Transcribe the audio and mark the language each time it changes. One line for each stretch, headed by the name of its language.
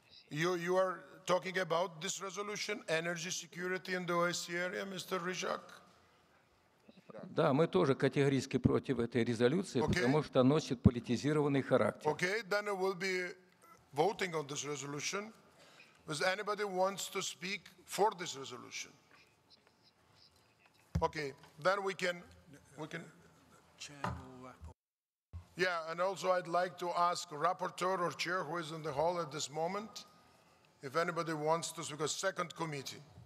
English: You are talking about this resolution, energy security in the OSCE area, Mr. Rizhak?
Russian: Да, мы тоже категорически против этой резолюции, okay, потому что носит политизированный характер.
English: Okay, then we'll be voting on this resolution. Does anybody wants to speak for this resolution? Okay, then we can. Yeah, and also I'd like to ask rapporteur or chair who is in the hall at this moment, if anybody wants to speak, a second committee.